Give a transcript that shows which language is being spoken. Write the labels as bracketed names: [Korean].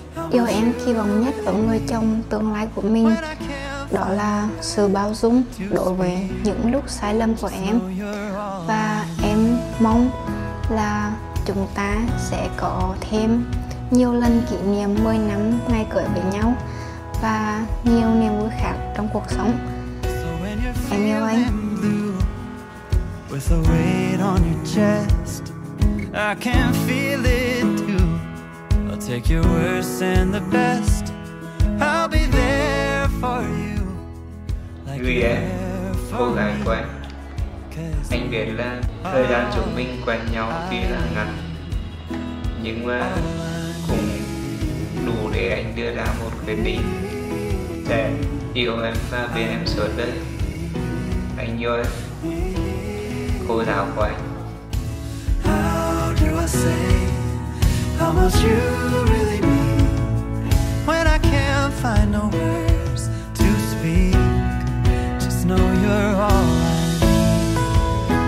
[Vietnamese] Điều em kỳ vọng nhất ở người chồng tương lai của mình đó là sự bao dung đối với những lúc sai lầm của em. Và em mong là chúng ta sẽ có thêm nhiều lần kỷ niệm 10 năm ngày cưới với nhau và nhiều niềm vui khác trong cuộc sống. Em yêu anh. [English] With the weight on your chest, I can feel it too. I'll take your worst and the best. I'll be there for you. [Vietnamese] Like Huy em, cô gái của anh. Anh biết là thời gian chúng mình quen nhau tuy là ngắn, nhưng mà cũng đủ để anh đưa ra một quyết định để yêu em và bên em suốt đời. Anh yêu em. Cô giáo của anh. [English] How do I say how much you really mean when I can't find no words to speak? Just know you're all I need.